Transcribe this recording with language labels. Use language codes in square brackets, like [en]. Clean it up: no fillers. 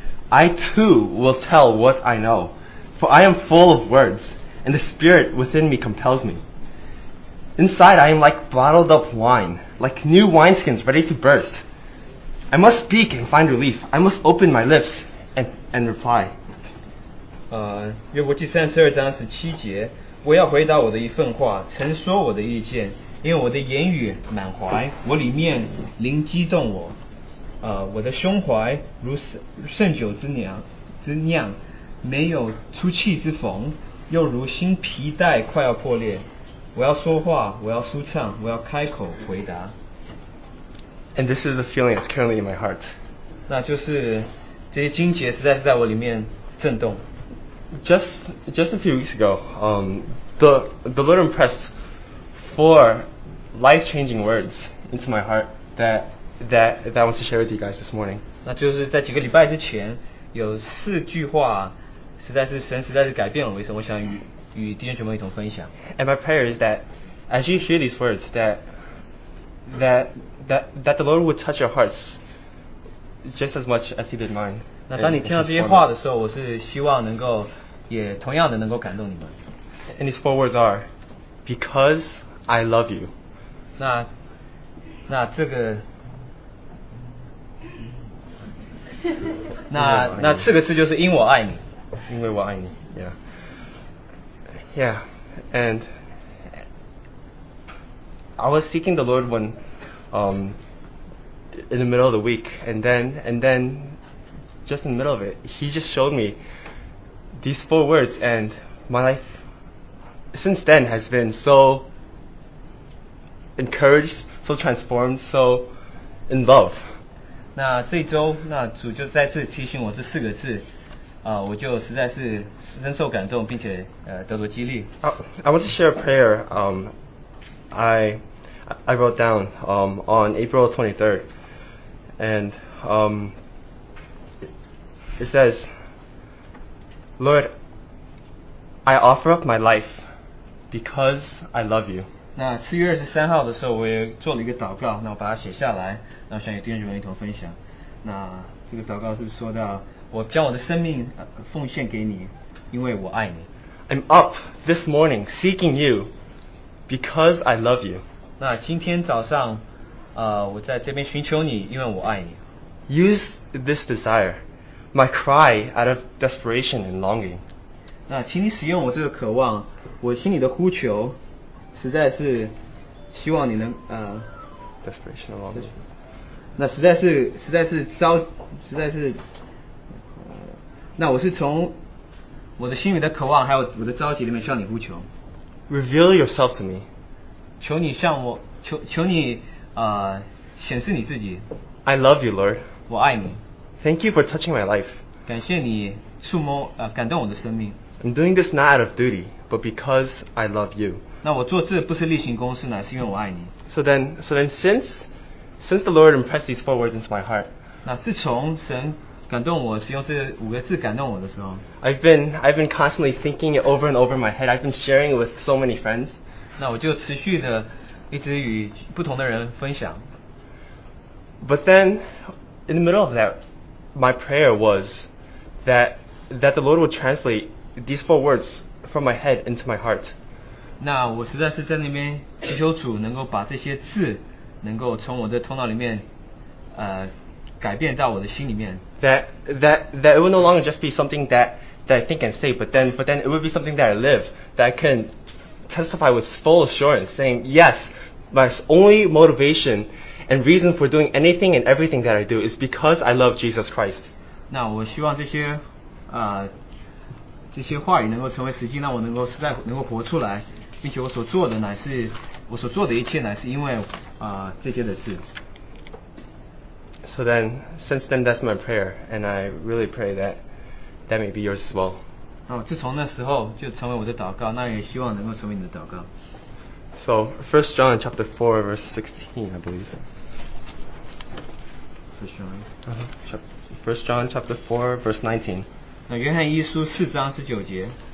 [en] I too will tell what I know. For I am full of words, and the spirit within me compels me. Inside I am like bottled up wine, like new wineskins ready to burst. I must speak and find relief. I must open my lips and reply. [zh] 约伯记三十二章十七节，我要回答我的一份话，曾说我的意见，因为我的言语满怀，我里面灵激动我，我的胸怀如盛酒之酿，没有出气之逢，又如新皮带快要破裂。我要说话，我要舒畅，我要开口回答。 [en] And this is the feeling that's currently in my heart. [zh] 那就是这些经节实在是在我里面震动。 [en] Just a few weeks ago, the Lord impressed four life changing words into my heart that I want to share with you guys this morning. [zh] 那就是在几个礼拜之前有四句话，实在是神实在是改变了我一生。我想与弟兄姐妹一同分享。 [en] And my prayer is that as you hear these words, that the Lord would touch your hearts just as much as He did mine. [zh] 那当你听到这些话的时候，我是希望能够也同样的能够感动你们。 [en] And these four words are, because I love you. [zh] 那这个。那四个字就是因我爱你，因为我爱你 [en] ，Yeah, and I was seeking the Lord when, in the middle of the week, and then, just in the middle of it, He just showed me these four words, and my life since then has been so encouraged, so transformed, so in love. [zh] 那这周，那主就再次提醒我这四个字，我就实在是深受感动，并且得到激励。 [en] I want to share a prayer. I wrote down on April 23rd, and it says, Lord, I offer up my life because I love you. [zh] 那四月二十三号的时候，我也做了一个祷告，那我把它写下来。那我想与弟兄姐妹一同分享。那这个祷告是说到，我将我的生命奉献给你，因为我爱你。 [en] I'm up this morning seeking you because I love you. [zh] 那今天早上，我在这边寻求你，因为我爱你。 [en] Use this desire, my cry out of desperation and longing. [zh] 那请你使用我这个渴望，我心里的呼求，实在是希望你能 [en] Desperation and longing. [zh] 那实在是那我是从我的心里的渴望还有我的着急里面向你呼求。 [en] Reveal yourself to me. [zh] 求你向我求你显示你自己。 [en] I love you, Lord. [zh] 我爱你。 [en] Thank you for touching my life. [zh] 感谢你触摸感动我的生命。 [en] I'm doing this not out of duty, but because I love you. [zh] 那我做这不是例行公事呢，是因为我爱你。 [en] So then, since the Lord impressed these four words into my heart, [zh] 那自从神感动我是用这五个字感动我的时候， [en] I've been constantly thinking it over and over in my head. I've been sharing it with so many friends. [zh] 那我就持续的一直与不同的人分享。 [en] But then, in the middle of that, my prayer was that the Lord would translate these four words from my head into my heart. [zh] 那我实在是在那边祈求主能够把这些字能够从我的头脑里面改变到我的心里面。 [en] That it will no longer just be something that I think and say, but then it will be something that I live, that I can testify with full assurance, saying, yes, my only motivation and reason for doing anything and everything that I do is because I love Jesus Christ. [zh] 那我希望这些这些话语能够成为实际，让我能够实在能够活出来，并且我所做的一切乃是因为这些的字。 [en] So then, since then, that's my prayer, and I really pray that may be yours as well. [zh] 那自从那时候就成为我的祷告，那也希望能够成为你的祷告。 [en] So, First John chapter 4, verse 16, I believe. First John chapter 4, verse 19. [zh] 那约翰一书四章十九节